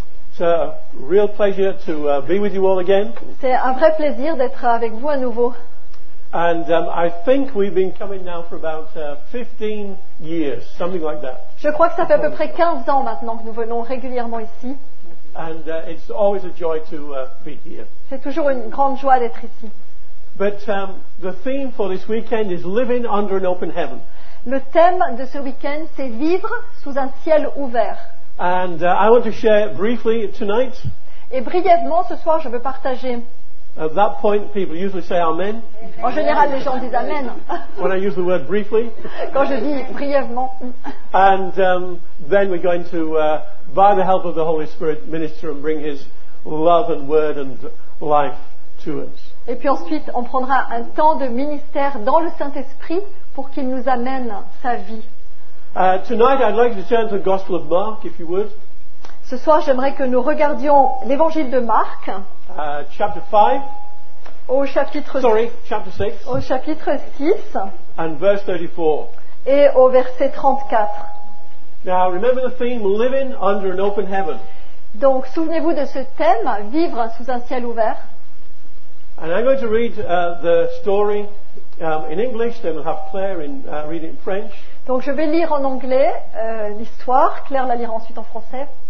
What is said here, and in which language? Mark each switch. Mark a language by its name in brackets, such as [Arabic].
[English] It's a real pleasure to be with you all again. [French] C'est un vrai plaisir d'être avec vous à nouveau. [English] And I think we've been coming now for about 15 years, something like that. [French] Je crois que ça fait à peu près 15 ans maintenant que nous venons régulièrement ici. [English] And it's always a joy to be here. [French] C'est toujours une grande joie d'être ici. [English] But the theme for this weekend is living under an open heaven. [French] Le thème de ce week-end, c'est vivre sous un ciel ouvert. [English] And I want to share briefly tonight. [French] Et brièvement, ce soir, je veux partager. [English] At that point, people usually say amen. [French] En général, les gens disent amen. [English] When I use the word briefly. [French] Quand je dis brièvement. [English] And then we're going to, by the help of the Holy Spirit, minister and bring His love and word and life to us. [French] Et puis ensuite, on prendra un temps de ministère dans le Saint-Esprit pour qu'il nous amène sa vie. [English] Tonight, I'd like to turn to the Gospel of Mark, if you would. [French] Ce soir, j'aimerais que nous regardions l'Évangile de Marc. [English] Chapter 5. Chapter 6. [French] Au chapitre 6. [English] And verse 34. [French] Et au verset 34. [English] Now, remember the theme, living under an open heaven. [French] Donc, souvenez-vous de ce thème, vivre sous un ciel ouvert. [English] And I'm going to read the story in English, then we'll have Claire in, read it in French. [French] Donc je vais lire en anglais l'histoire, Claire la lira ensuite en français.